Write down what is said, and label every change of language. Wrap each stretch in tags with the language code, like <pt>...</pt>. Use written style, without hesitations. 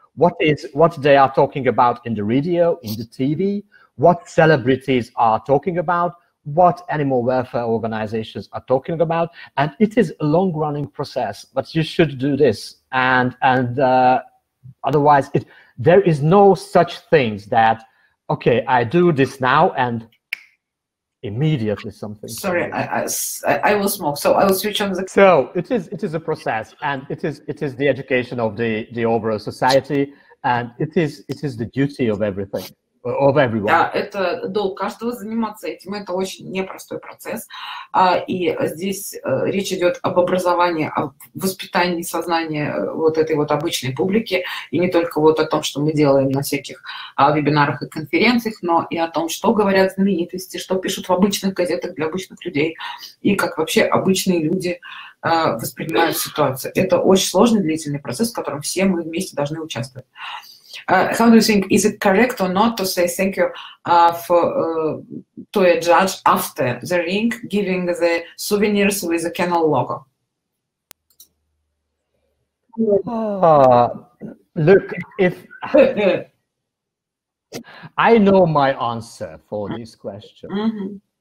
<en>What they are talking about in the radio, in the TV, what celebrities are talking about, what animal welfare organizations are talking about, and it is a long-running process, but you should do this, and otherwise there is no such things that okay, I do this now and immediately something. Sorry, I will smoke, so I will switch on the. So it is a process, and it is the education of the overall society, and it is the duty of everything of everyone.</en> <ru>Да, это долг каждого заниматься этим. Это очень непростой процесс. И здесь речь идет об образовании, о воспитании сознания вот этой вот обычной публики. И не только вот о том, что мы делаем на всяких вебинарах и конференциях, но и о том, что говорят знаменитости, что пишут в обычных газетах для обычных людей. И как вообще обычные люди воспринимают ситуацию. Это очень сложный длительный процесс, в котором все мы вместе должны участвовать.</ru> <en>How do you think, is it correct or not to say thank you to a judge after the ring, giving the souvenirs with the kennel logo? Look, if I know my answer for this question. Mm-hmm.</en>